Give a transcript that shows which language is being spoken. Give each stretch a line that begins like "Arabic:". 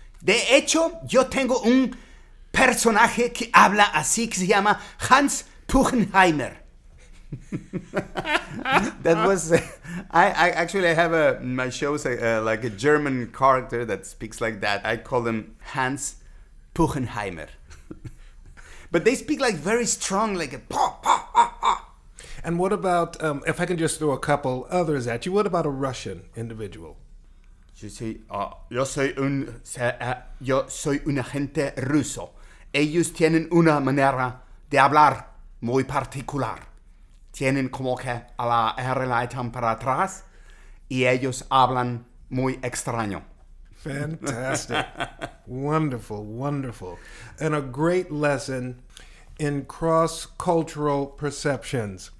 Spanish: De hecho, yo tengo un personaje que habla así, que se llama Hans Puchenheimer.
English: That was I have a German character that speaks like that. I call him Hans Puchenheimer. But they speak like very strong, like a pa pa pa pa. And what about if I can just throw a couple others at you? What about a Russian individual?
Spanish: Yo soy un agente ruso. Ellos tienen una manera de hablar muy particular. Tienen como que a la R la echan para atrás y ellos hablan muy extraño.
English: Fantastic. Wonderful, wonderful. And a great lesson in cross-cultural perceptions.